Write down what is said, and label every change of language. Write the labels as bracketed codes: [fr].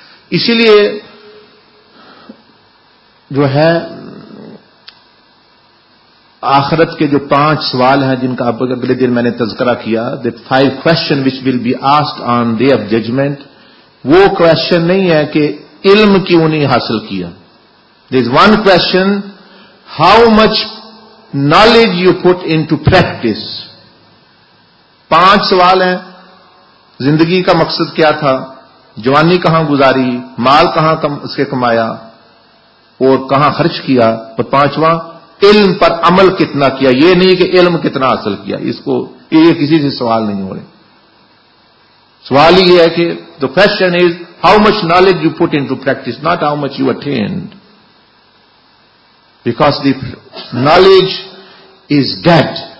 [ur] اسی لیے جو ہے آخرت کے جو پانچ سوال ہیں جن کا اگلے دن میں نے تذکرہ کیا, [en] that five question which will be asked on day of judgement, [ur] وہ کوشچن نہیں ہے کہ علم کیوں نہیں حاصل کیا. [en] There is one question, how much knowledge you put into practice. [ur] پانچ سوال ہیں, زندگی کا مقصد کیا تھا, جوانی کہاں گزاری, مال کہاں اس کے کمایا اور کہاں خرچ کیا, اور پانچواں علم پر عمل کتنا کیا. یہ نہیں کہ علم کتنا حاصل کیا, اس کو یہ کسی سے سوال نہیں ہو رہے. Sawal ye hai ki, [en] the question is, how much knowledge you put into practice, not how much you attained. Because the knowledge is dead.